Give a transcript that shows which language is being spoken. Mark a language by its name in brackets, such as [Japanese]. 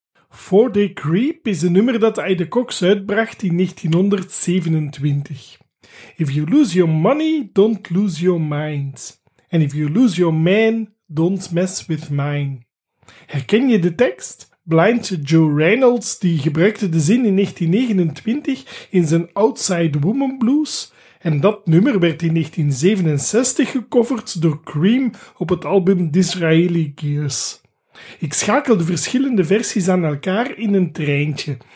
[Dutch] For the Creep is een nummer dat Ida Cox uitbracht in 1927. [English] If you lose your money, don't lose your mind. And if you lose your man, don't mess with mine. [Dutch] Herken je de tekst? Blind Joe Reynolds die gebruikte de zin in 1929 in zijn Outside Woman Blues. En dat nummer werd in 1967 gecoverd door Cream op het album Disraeli Gears. Ik schakel de verschillende versies aan elkaar in een treintje.